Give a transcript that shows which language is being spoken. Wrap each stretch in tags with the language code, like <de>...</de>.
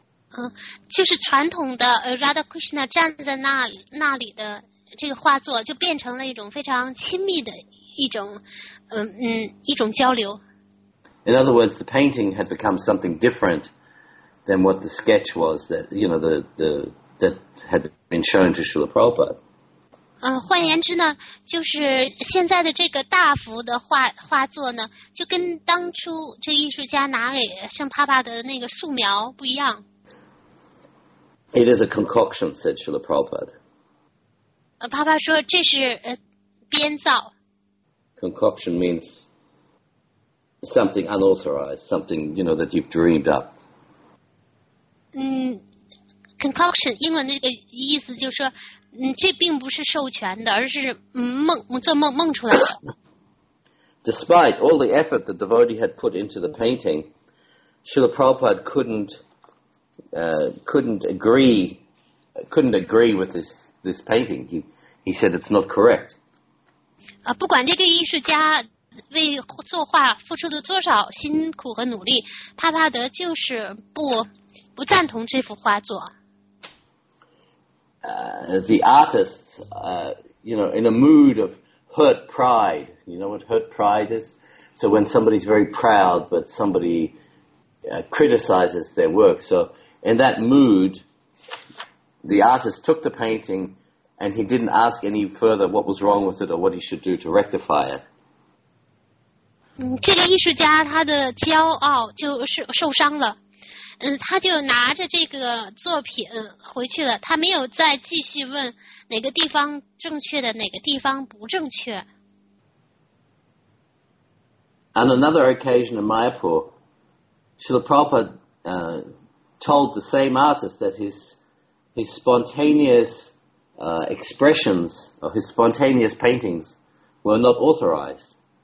<zh>就是传统的Radha Krishna 站在那里的这个画作，就变成了一种非常亲密的一种交流。</zh> <en>In other words, the painting had become something different than what the sketch was that, you know, that had been shown to Srila Prabhupada.</en> <zh>换言之呢，就是现在的这个大幅的画作呢，就跟当初这艺术家拿给圣帕帕的那个素描不一样。</zh> <en>It is a concoction, said Srila Prabhupada.</en> <zh>帕帕说这是编造。</zh> <en>Concoction means... Something unauthorized, something, you know, that you've dreamed up.</en> <zh>Concoction, 英文的这个意思就是说，这并不是授权的，而是做梦出来的。</zh> <en>Despite all the effort the devotee had put into the painting, Srila Prabhupada couldn't agree with this painting. He said it's not correct.</en> <zh>不管这个艺术家为作画付出了多少辛苦和努力，帕帕德就是不赞同这幅画作。</zh> <en>The artist, you know, in a mood of hurt pride. You know what hurt pride is? So when somebody's very proud, but somebody criticizes their work. So in that mood, the artist took the painting, and he didn't ask any further what was wrong with it or what he should do to rectify it.</en> <zh>这个艺术家他的骄傲就受伤了，他就拿着这个作品回去了，他没有再继续问哪个地方正确的，哪个地方不正确。</zh> <en>On another occasion in Mayapur, Srila Prabhupada told the same artist that his spontaneous expressions or his spontaneous paintings were not authorized.</en>